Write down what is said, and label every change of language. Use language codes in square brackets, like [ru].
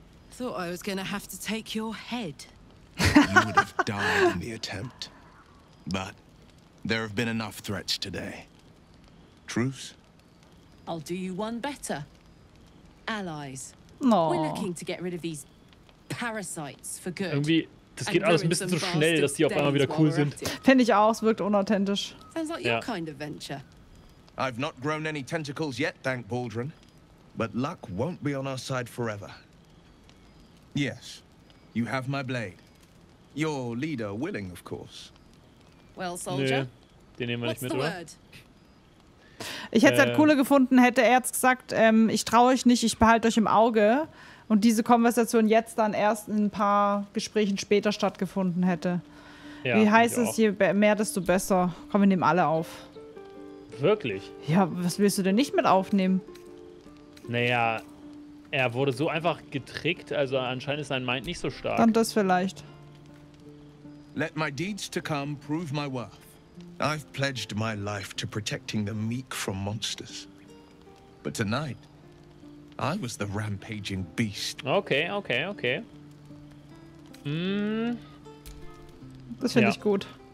[en] Thought I was gonna have to take your head. You would have died in the attempt. But there have been enough threats today. Truce? I'll do you one better. Allies. No. We're looking to get rid of these parasites for good. [de] Irgendwie, das geht alles ein bisschen zu schnell, dass die auf einmal wieder cool sind. Finde ich auch, es wirkt unauthentisch. [en] Sounds like your kind of venture. I've not grown any tentacles yet, thank Baldrin. But luck won't be on our side forever. Yes, you have my blade. Your leader willing, of course. Well, soldier. [de] Nee, den nehmen wir nicht mit, oder? Ich hätte es halt cooler gefunden, hätte er jetzt gesagt, ich traue euch nicht, ich behalte euch im Auge. Und diese Konversation jetzt dann erst in ein paar Gesprächen später stattgefunden hätte. Ja, wie heißt es, auch. Je mehr, desto besser. Komm, wir nehmen alle auf. Wirklich? Ja, was willst du denn nicht mit aufnehmen? Naja, er wurde so einfach getrickt, also anscheinend ist sein Mind nicht so stark. Dann das vielleicht. [en] Let my deeds to come prove my worth. I've pledged my life to protecting the meek from monsters. But tonight, I was the rampaging beast. Okay, okay, okay. [de] Das finde ich gut.